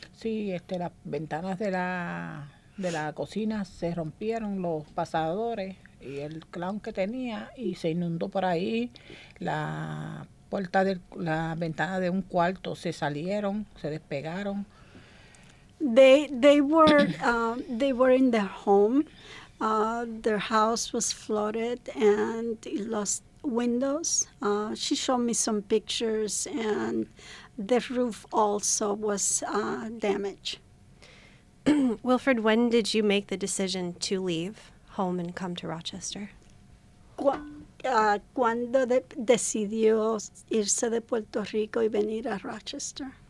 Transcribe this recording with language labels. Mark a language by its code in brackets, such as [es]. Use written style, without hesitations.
[es] Sí, las ventanas de la cocina se rompieron, los pasadores y el clown que tenía, y se inundó por ahí. La puerta de la ventana de un cuarto se salieron, se despegaron. [en] They were in their home. Their house was flooded and it lost windows. She showed me some pictures, and the roof also was damaged. Wilfred, when did you make the decision to leave home and come to Rochester? [es] ¿Cuándo decidió irse de Puerto Rico y venir a Rochester?